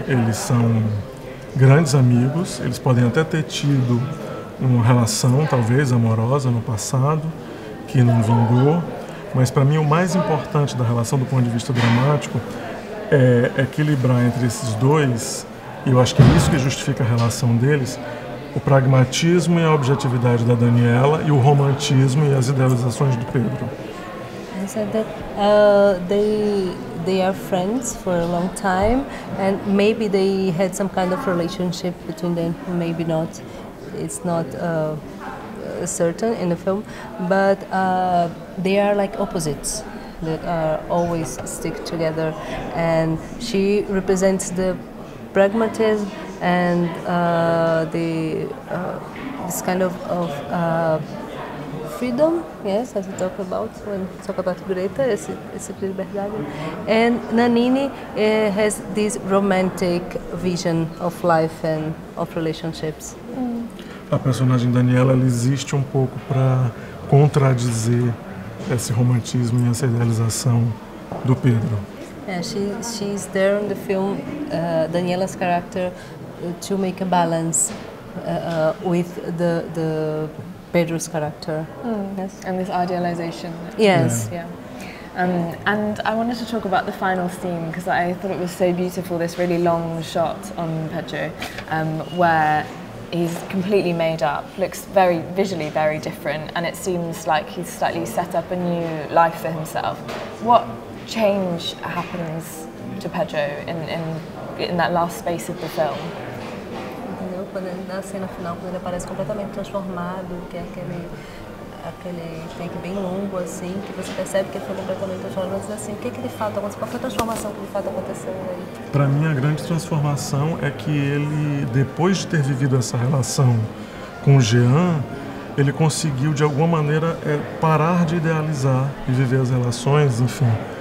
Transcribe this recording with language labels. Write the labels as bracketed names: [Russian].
[Portuguese] Eles são grandes amigos, eles podem até ter tido uma relação, talvez, amorosa no passado, que não vingou, mas para mim o mais importante da relação do ponto de vista dramático é equilibrar entre esses dois, e eu acho que é isso que justifica a relação deles, o pragmatismo e a objetividade da Daniela e o romantismo e as idealizações do Pedro. [English] He said that they are friends for a long time, and maybe they had some kind of relationship between them, maybe not. It's not certain in the film, but they are like opposites that are always stick together, and she represents the pragmatism and this kind of freedom, yes, as we talk about when we talk about Greta, [Portuguese] esse liberdade. [English] And Nannini has this romantic vision of life and of relationships. Mm. [Portuguese] A personagem Daniela, ela existe um pouco para contradizer esse romantismo e essa idealização do Pedro. [English] Yeah, she's there in the film, Daniela's character, to make a balance with the Pedro's character. Mm. Yes. And this idealization. Yes. Yeah. Yeah. And I wanted to talk about the final scene, because I thought it was so beautiful, this really long shot on Pedro, where he's completely made up, looks very visually very different, and it seems like he's slightly set up a new life for himself. What change happens to Pedro in that last space of the film? [Portuguese] Quando ele, na cena final, quando ele aparece completamente transformado, que é aquele aquele take bem longo, assim, que você percebe que ele foi completamente transformado, mas assim, o que que de fato aconteceu? Qual foi a transformação que de fato aconteceu aí? Pra mim, a grande transformação é que ele, depois de ter vivido essa relação com o Jean, ele conseguiu, de alguma maneira, parar de idealizar e viver as relações, enfim.